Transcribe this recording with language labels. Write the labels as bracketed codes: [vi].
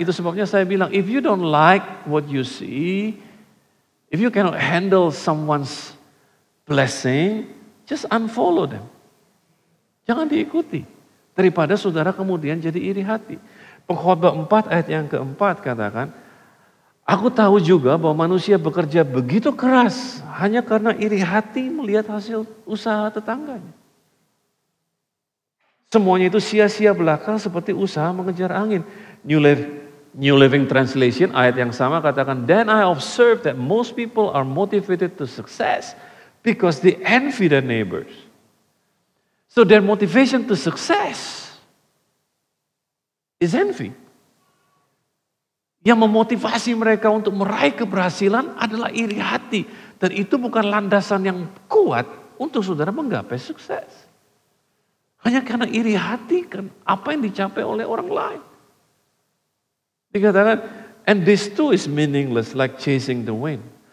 [id] Itu sebabnya saya bilang, [en] if you don't like what you see, if you cannot handle someone's blessing, just unfollow them. [id] Jangan diikuti. Daripada saudara kemudian jadi iri hati. Pengkhotbah 4 ayat yang keempat katakan, aku tahu juga bahwa manusia bekerja begitu keras hanya karena iri hati melihat hasil usaha tetangganya. Semuanya itu sia-sia belaka seperti usaha mengejar angin. [en] New Living Translation, [id] ayat yang sama katakan, [en] then I observe that most people are motivated to success because they envy their neighbors. So their motivation to success is envy. [id] Yang memotivasi mereka untuk meraih keberhasilan adalah iri hati. Dan itu bukan landasan yang kuat untuk saudara menggapai sukses. Hanya karena iri hati kan apa yang dicapai oleh orang lain. [en] Dikatakan, and this too is meaningless like chasing the wind.